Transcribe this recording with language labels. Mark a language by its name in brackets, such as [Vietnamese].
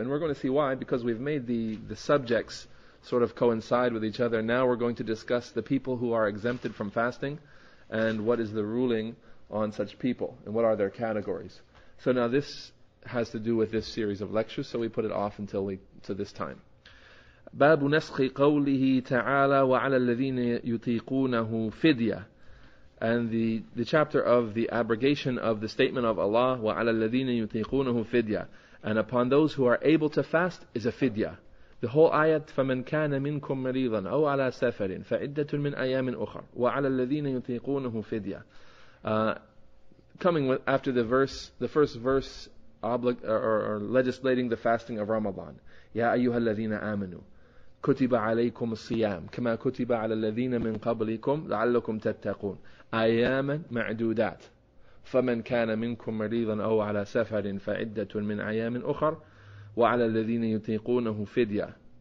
[English] And we're going to see why, because we've made the subjects sort of coincide with each other. Now we're going to discuss the people who are exempted from fasting and what is the ruling on such people and what are their categories. So now this has to do with this series of lectures, so we put it off until to this time. [Arabic] باب نسخ قوله تعالى وعلى الذين يطيقونه فدية. [English] And the chapter of the abrogation of the statement of Allah, [Arabic] وعلى الذين يطيقونه فدية. [English] And upon those who are able to fast is a فدية. The whole ayat, [Arabic] فمن كان منكم مريضا أو على سفر فعدة من أيام أخر وعلى الذين يطيقونه فدية. [English] Coming with, after the verse, the first verse or legislating the fasting of Ramadan. [Arabic] يا أيها الذين آمنوا كتب عليكم الصيام كما كتب على الذين من قبلكم لعلكم تتقون أياما معدودات فمن كان منكم مريضا أو على سفر فعدة من أيام أخر وعلى الذين يطيقونه فدية.